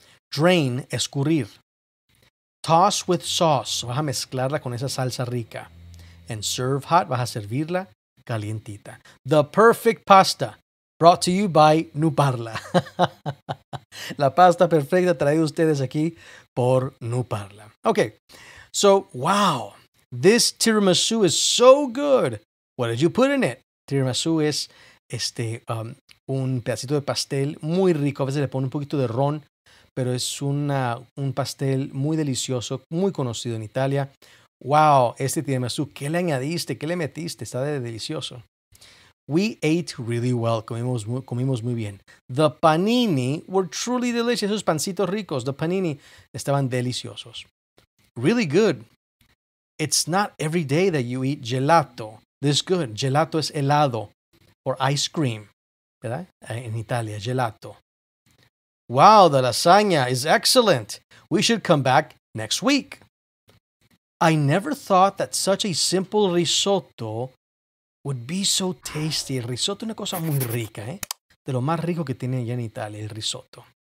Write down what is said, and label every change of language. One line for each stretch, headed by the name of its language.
English: Drain, escurrir. Toss with sauce.
Spanish: Vas a mezclarla con esa salsa rica.
English: And serve hot.
Spanish: Vas a servirla calientita.
English: The perfect pasta. Brought to you by NuParla.
Spanish: La pasta perfecta traída ustedes aquí por NuParla.
English: Okay, so, wow, this tiramisu is so good. What did you put in it?
Spanish: Tiramisu es un pedacito de pastel muy rico. A veces le ponen un poquito de ron, pero es un pastel muy delicioso, muy conocido en Italia. Wow, este tiramisu, ¿qué le añadiste? ¿Qué le metiste? Está de delicioso.
English: We ate really well.
Spanish: Comimos muy bien.
English: The panini were truly delicious.
Spanish: Esos pancitos ricos.
English: The panini
Spanish: estaban deliciosos.
English: Really good. It's not every day that you eat gelato. This is good.
Spanish: Gelato es helado.
English: Or ice cream.
Spanish: ¿Verdad? En Italia, gelato.
English: Wow, the lasagna is excellent. We should come back next week. I never thought that such a simple risotto would be so tasty.
Spanish: El risotto es una cosa muy rica, ¿eh? De lo más rico que tiene allá en Italia, el risotto.